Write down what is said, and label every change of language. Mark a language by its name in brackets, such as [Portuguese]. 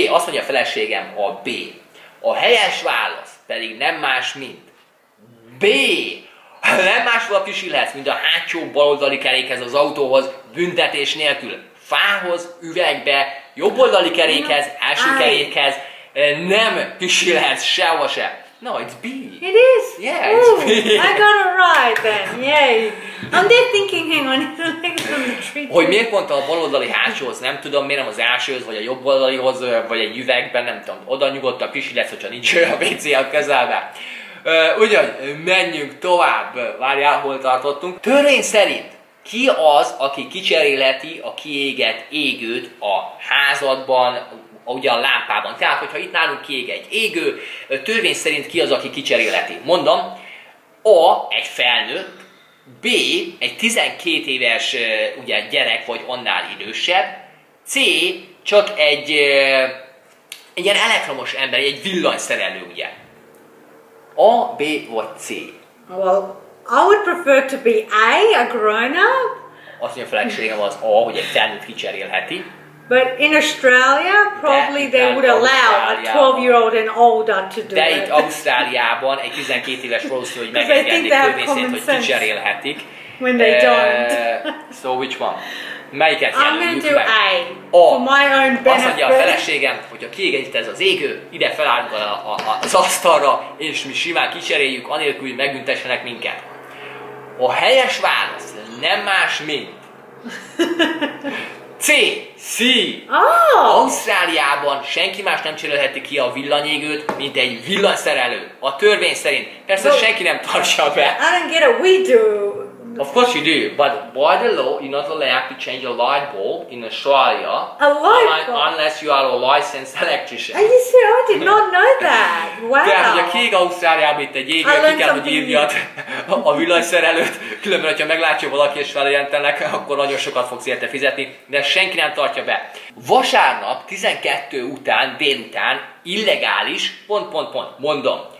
[Hungarian] Azt mondja a feleségem, a B. A helyes válasz pedig nem más, mint B. Nem máshol pisilhetsz, mint a hátsó baloldali kerékhez az autóhoz, büntetés nélkül. Fához, üvegbe, jobboldali kerékhez, első kerékhez nem pisilhetsz sehova se. [English] No, it's B. It is? Yeah, ooh, it's B. I got it right then, yay. I'm there thinking, hang on, it's like from the tree. [Hungarian] Hogy miért mondta a baloldali hátsóhoz, nem tudom, miért nem az elsőhoz, vagy a jobboldalihoz, vagy egy üvegben, nem tudom, oda nyugodtan pisilhetsz, hogyha nincs a WC a közelben. Ugyan, menjünk tovább, várjál, hol tartottunk. Törvény szerint ki az, aki kicseréleti a kiégett égőt a házadban, ugye a lámpában? Tehát, hogyha itt nálunk kiég egy égő, törvény szerint ki az, aki kicseréleti? Mondom, A, egy felnőtt, B, egy 12 éves ugye, gyerek vagy annál idősebb, C, csak egy ilyen elektromos ember, egy villanyszerelő, ugye? A, B vagy C? [English] Well, I would prefer to be a grown-up. [Hungarian] Azt mondja a feleségem az A, hogy egy felnőtt kicserélheti. [English] But in Australia, probably they would allow a 12-year-old and older to do it. [Hungarian] De itt Ausztráliában egy 12 éves valószínű, hogy megengedik törvényszerint, hogy kicserélhetik. [English] When they don't. So which one? Melyiket [Hungarian] jelöljük meg? [English] I'm going to do A, for my own benefit. [Hungarian] Azt mondja a feleségem, hogy ha kiégett ez az égő, ide felállunk az asztalra, és mi simán kicseréljük, anélkül, hogy megbüntessenek minket. A helyes válasz nem más, mint C. C. [English] Oh. [Hungarian] Ausztráliában senki más nem cserélheti ki a villanyégőt, mint egy villanyszerelő. A törvény szerint. Persze no, senki nem tartsa be. [English] I don't get it. We do. Of course you do, but by the law, you're not allowed to change a light bulb in Australia. A light bulb? Unless you are a licensed electrician. Are you serious? I did not know that. Wow. [Hungarian] De hogy a kiég Ausztráliában itt egy égő, ki kell, hogy írjad a villanyszerelőt. Különben, hogyha meglátja valaki és feljelentenek, akkor nagyon sokat fogsz érte fizetni, de senki nem tartja be. Vasárnap 12 után, délután, illegális, pont, mondom.